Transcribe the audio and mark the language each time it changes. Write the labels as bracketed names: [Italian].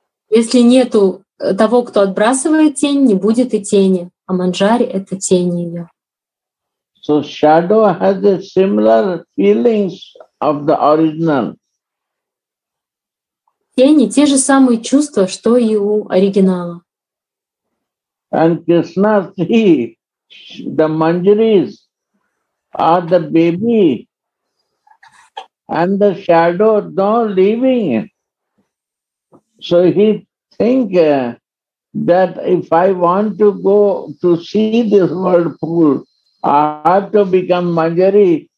[Russian] Если нету того, кто отбрасывает тень, не будет и тени. А Манджари — это тень ее. [English] So shadow has the similar feelings of the original. [Russian] Тени — те же самые чувства, что и у оригинала. [English] And Krishna sees the Manjaris are the baby and the shadow not leaving. So he think that if I want to go to see this whirlpool, I have to become Manjari.